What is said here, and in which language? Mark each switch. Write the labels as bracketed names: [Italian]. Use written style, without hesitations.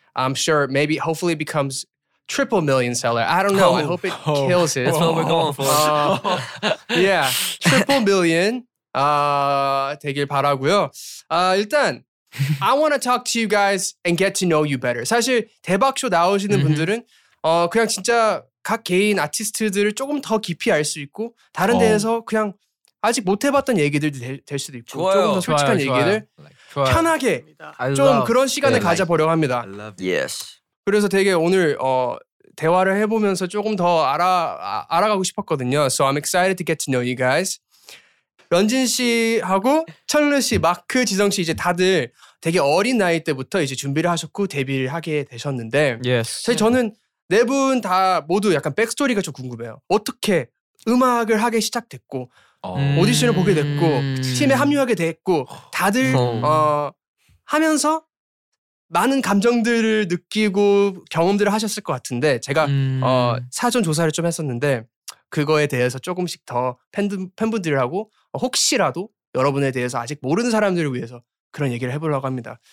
[English] I'm sure maybe hopefully it becomes triple million seller. I don't know. Oh, I hope it kills it. That's what we're going for. yeah. Triple million. [Korean] 되길 바라고요. [English] 일단 I want to talk to you guys and get to know you better. [Korean] 사실 대박쇼 나오시는 분들은 그냥 진짜 각 개인 아티스트들을 조금 더 깊이 알 수 있고 다른 데에서 그냥 아직 못 해봤던 얘기들도 될 수도 있고 좋아요. 조금 더 솔직한 좋아요. 얘기들 좋아요. 편하게 좀 그런 시간을 가져보려고 합니다. [English] Yes. [Korean] 그래서 되게 오늘 대화를 해보면서 조금 더 알아가고 싶었거든요. [English] So I'm excited to get to know you guys. [Korean] 런진 씨하고 철루 씨, 마크, 지성 씨 이제 다들 되게 어린 나이 때부터 이제 준비를 하셨고 데뷔를 하게 되셨는데 [English] Yes. [Korean] 사실 저는 네 분 다 모두 약간 백스토리가 좀 궁금해요. 어떻게 음악을 하게 시작됐고 오디션을 보게 됐고 팀에 합류하게 됐고 다들 하면서 많은 감정들을 느끼고 경험들을 하셨을 것 같은데 제가 사전 조사를 좀 했었는데 그거에 대해서 조금씩 더 팬분들하고 혹시라도 여러분에 대해서 아직 모르는 사람들을 위해서 그런 얘기를 해보려고 합니다.